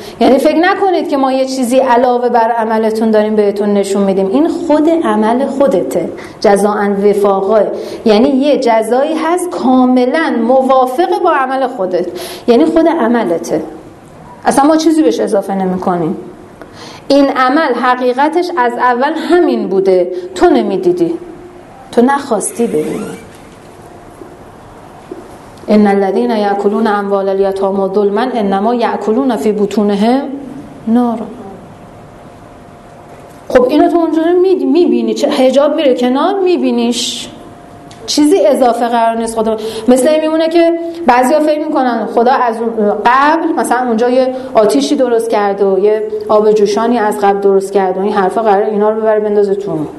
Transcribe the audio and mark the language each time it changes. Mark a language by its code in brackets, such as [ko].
[fa] یعنی فکر نکنید که ما یه چیزی علاوه بر عملتون داریم بهتون نشون میدیم، این خود عمل خودته، [ar] جزاءً وفاقا، [fa] یعنی یه جزایی هست کاملا موافق با عمل خودت، یعنی خود عملته. اصلا ما چیزی بهش اضافه نمی کنیم. این عمل حقیقتش از اول همین بوده، تو نمی دیدی، تو نخواستی ببینی. [ar] ان الذين ياكلون اموال اليتامى ظلما انما ياكلون في بطونهم نار. [fa] خب اینو تو اونجوری میبینی، حجاب میره کنار، میبینیش، چیزی اضافه قرار نیست. خدا مثل این میمونه که بعضیا فکر میکنن خدا از قبل مثلا اونجا یه آتیشی درست کرده و یه آب جوشانی از قبل درست کرده و این حرفا قرار اینا رو ببره بندازه تو.